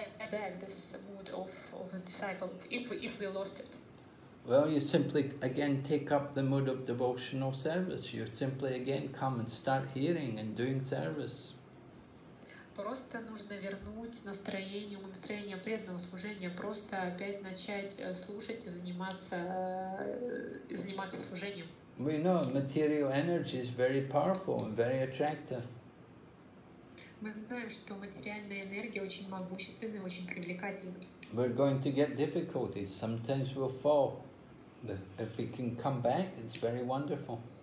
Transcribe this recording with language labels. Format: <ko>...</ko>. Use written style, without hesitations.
<en>Back this mood of a disciple if we lost it. Well, you simply again take up the mood of devotional service. You simply again come and start hearing and doing service.</en> <ru>Просто нужно вернуть настроение преданного служения. Просто опять начать слушать и заниматься служением.</ru> <en>We know material energy is very powerful and very attractive.</en> <ru>Мы знаем, что материальная энергия очень могущественная, очень привлекательна.</ru> <en>We're going to get difficulties. Sometimes we'll fall. But if we can come back, it's very wonderful.</en>